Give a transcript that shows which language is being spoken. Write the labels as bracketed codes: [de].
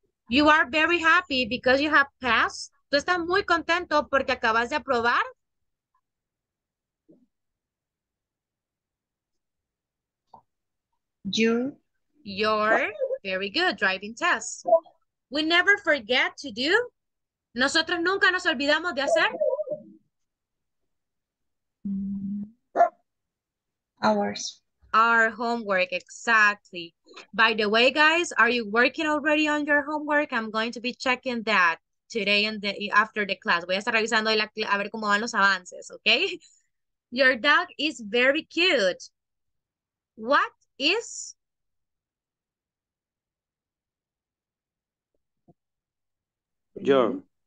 [en] You are very happy because you have passed. [es] Tú estás muy contento porque acabas de aprobar. [en] You're very good driving test. We never forget to do. [es] Nosotros nunca nos olvidamos de hacer. [en] Ours. Our homework, exactly. By the way, guys, are you working already on your homework? I'm going to be checking that. today and after the class. [es] Voy a estar revisando la, a ver cómo van los avances, okay? [en] Your dog is very cute. What is... Your.